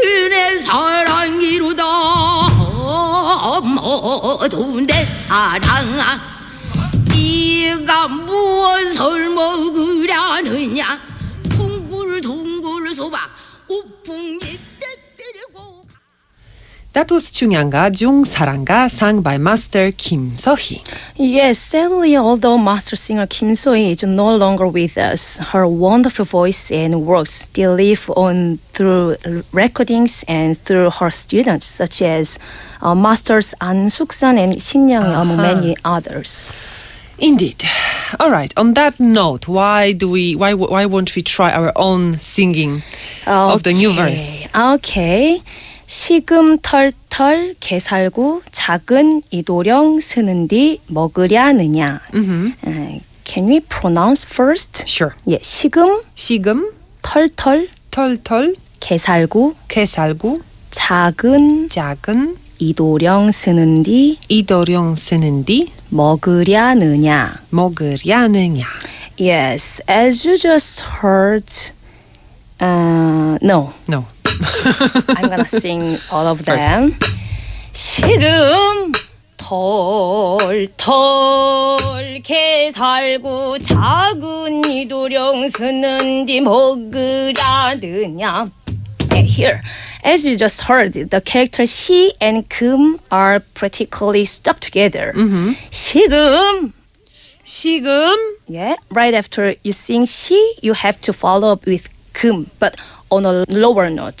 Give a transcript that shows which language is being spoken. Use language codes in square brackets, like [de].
[ko] 내 사랑이로다 모두 내 사랑아 네가 무엇을 먹으려느냐 둥글둥글 소박 우풍이 떼뜨리고 [en] That was Jungyeon Gajung Saranga, sung by Master Kim So-hee. Yes, sadly, although master singer Kim So-hee is no longer with us, her wonderful voice and works still live on through recordings and through her students, such as Masters An Suk-san and Shin Young, among many others. Indeed. All right. On that note, why won't we try our own singing of the new verse? Okay. [ko] 식음 털털 개살구 작은 이도령 쓰는 디 먹으랴느냐. [en] Can we pronounce first? Sure. [ko] 예, 식음. 식음. 털털. 털털. 개살구. 개살구. 작은. 작은. 이도령 쓰는 디. 이도령 쓰는 디. 먹으랴느냐. 먹으랴느냐. [en] Yes, as you just heard. No. I'm gonna sing all of them. [ko] 식음 털털 개살구 작은 이도령 쓰는 디 먹으라느냐. [en] Okay, here, as you just heard, the character 시 and 금 are practically stuck together. [ko] 식음 식음. [en] Yeah, right after you sing 시, you have to follow up with 금, but on a lower note.